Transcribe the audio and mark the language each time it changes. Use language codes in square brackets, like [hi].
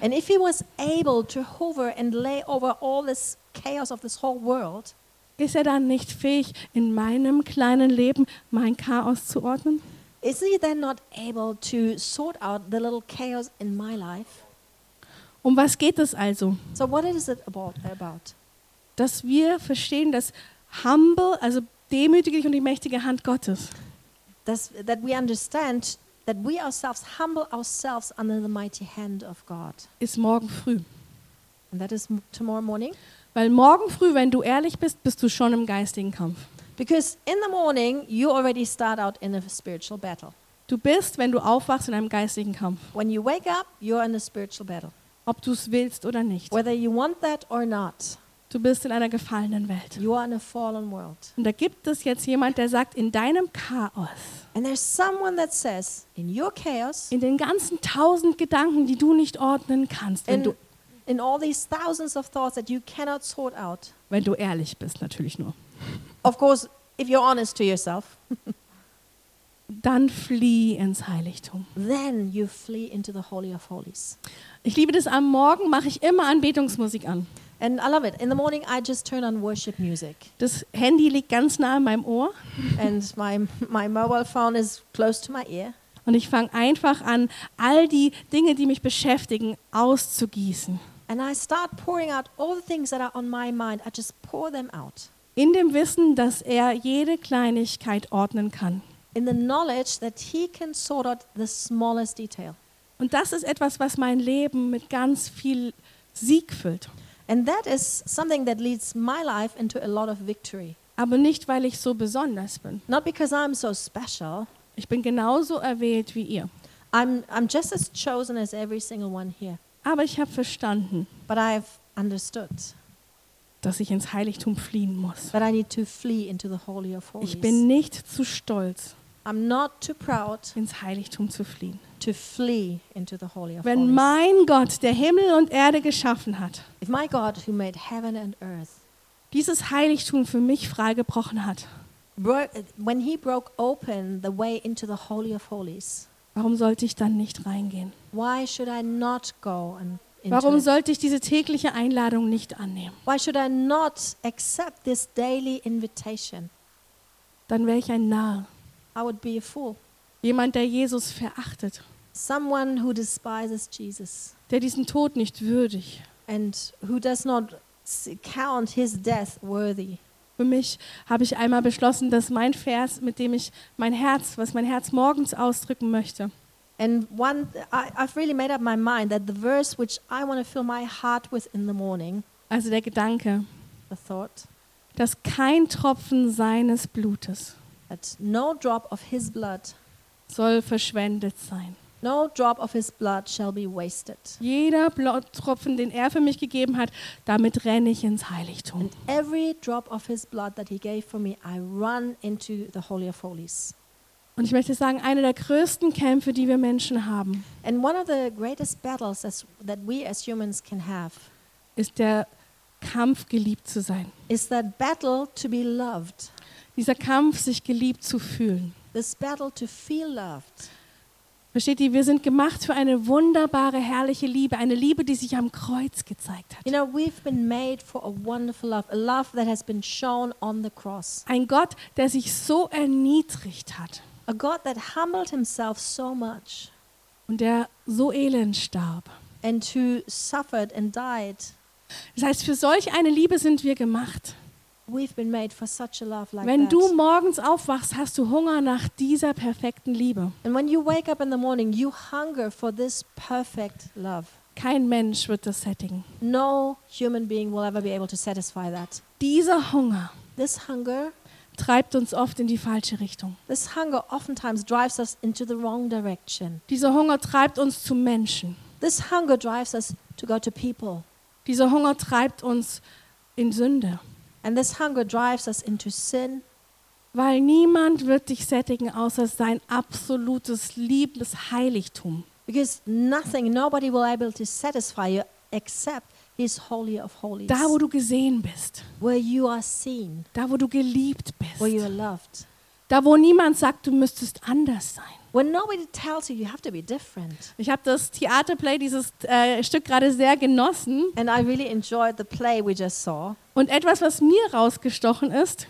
[en] And if he was able to hover and lay over all this chaos of this whole world, [de] ist er dann nicht fähig, in meinem kleinen Leben mein Chaos zu ordnen? [en] Is he then not able to sort out the little chaos in my life? [de] Um was geht es also? [en] So what is it about? [de] Dass wir verstehen, dass humble, also demütige und die mächtige Hand Gottes. [en] That we understand that we ourselves humble ourselves under the mighty hand of God. [de] Ist morgen früh. [en] And that is tomorrow morning. [de] Weil morgen früh, wenn du ehrlich bist, bist du schon im geistigen Kampf. [en] Because in the morning you already start out in a spiritual battle. [de] Du bist, wenn du aufwachst, in einem geistigen Kampf. [en] When you wake up, you're in a spiritual battle. [de] Ob du es willst oder nicht. [en] Whether you want that or not. [de] Du bist in einer gefallenen Welt. [en] You are in a fallen world. [de] Und da gibt es jetzt jemand, der sagt, in deinem Chaos. [en] And there's someone that says, in your chaos. [de] In den ganzen tausend Gedanken, die du nicht ordnen kannst, wenn du [en] in all these thousands of thoughts that you cannot sort out. [de] Wenn du ehrlich bist, natürlich nur. [en] Of course, if you're honest to yourself. [de] Dann flieh ins Heiligtum. [en] Then you flee into the Holy of Holies. [de] Ich liebe das, am Morgen mache ich immer Anbetungsmusik an. [en] And I love it. In the morning I just turn on worship music. [de] Das Handy liegt ganz nah an meinem Ohr. [en] And my mobile phone is close to my ear. [de] Und ich fange einfach an, all die Dinge, die mich beschäftigen, auszugießen. [en] And I start pouring out all the things that are on my mind. I just pour them out. [de] In dem Wissen, dass er jede Kleinigkeit ordnen kann. [en] In the knowledge that he can sort out the smallest detail. [de] Und das ist etwas, was mein Leben mit ganz viel Sieg füllt. [en] And that is something that leads my life into a lot of victory. [de] Aber nicht, weil ich so besonders bin. [en] Not because I'm so special. [de] Ich bin genauso erwählt wie ihr. [en] I'm just as chosen as every single one here. [de] Aber ich habe verstanden. [en] But I've understood. [de] Dass ich ins Heiligtum fliehen muss. [en] But I need to flee into the Holy of Holies. [de] Ich bin nicht zu stolz. [en] I'm not too proud. [de] Ins Heiligtum zu fliehen. [en] To flee into the Holy of Holies. [de] Wenn mein Gott, der Himmel und Erde geschaffen hat. [en] If my God who made heaven and earth. [de] Dieses Heiligtum für mich freigebrochen hat. [en] When he broke open the way into the Holy of Holies. [de] Warum sollte ich dann nicht reingehen? [en] Why should I not go and [de] warum sollte ich diese tägliche Einladung nicht annehmen? [en] Why should I not accept this daily invitation? [de] Dann wäre ich ein Narr. [en] I would be a fool. [de] Jemand, der Jesus verachtet. [en] Someone who despises Jesus. [de] Der diesen Tod nicht würdig. [en] And who does not count his death worthy. [de] Für mich habe ich einmal beschlossen, dass mein Vers, mit dem ich mein Herz, was mein Herz morgens ausdrücken möchte. [en] And one, I've really made up my mind that the verse which I want to fill my heart with in the morning. [de] Also der Gedanke. [en] The thought. [de] Dass kein Tropfen seines Blutes. [en] That no drop of his blood. [de] Soll verschwendet sein. [en] No drop of his blood shall be wasted. [de] Jeder Tropfen, den er für mich gegeben hat, damit renne ich ins Heiligtum. [en] And every drop of his blood that he gave for me, I run into the Holy of Holies. [de] Und ich möchte sagen, einer der größten Kämpfe, die wir Menschen haben, [en] and one of the greatest battles that we as humans can have, [de] ist der Kampf, geliebt zu sein. [en] Is that battle to be loved. [de] Dieser Kampf, sich geliebt zu fühlen. [en] This battle to feel loved. [de] Versteht ihr, wir sind gemacht für eine wunderbare, herrliche Liebe, eine Liebe, die sich am Kreuz gezeigt hat. [en] You know, we've been made for a wonderful love, a love that has been shown on the cross. [de] Ein Gott, der sich so erniedrigt hat. [en] A God that humbled himself so much. [de] Und der so elend starb. [en] And who suffered and died. [de] Das heißt, für solch eine Liebe sind wir gemacht. [en] We've been made for such a love like [de] wenn [en] that. [de] Du morgens aufwachst, hast du Hunger nach dieser perfekten Liebe. [en] And when you wake up in the morning, you hunger for this perfect love. [de] Kein Mensch wird das sättigen. [en] No human being will ever be able to satisfy that. [de] Dieser Hunger. [en] This hunger [de] treibt uns oft in die falsche Richtung. [en] This hunger oftentimes drives us into the wrong direction. [de] Dieser Hunger treibt uns zu Menschen. [en] This hunger drives us to go to people. [de] Dieser Hunger treibt uns in Sünde. [en] And this hunger drives us into sin. [de] Weil niemand wird dich sättigen außer sein absolutes liebes Heiligtum. [en] Because nothing, nobody will able to satisfy you except is holy of holies. [de] Da, wo du gesehen bist. [en] Where you are seen. [de] Da, wo du geliebt bist. [en] Where you are loved. [de] Da, wo niemand sagt, du müsstest anders sein. [en] When nobody tells you, you have to be different. [de] Ich habe das Theaterplay, dieses Stück gerade sehr genossen. [en] And I really enjoyed the play we just saw. [de] Und etwas, was mir rausgestochen ist.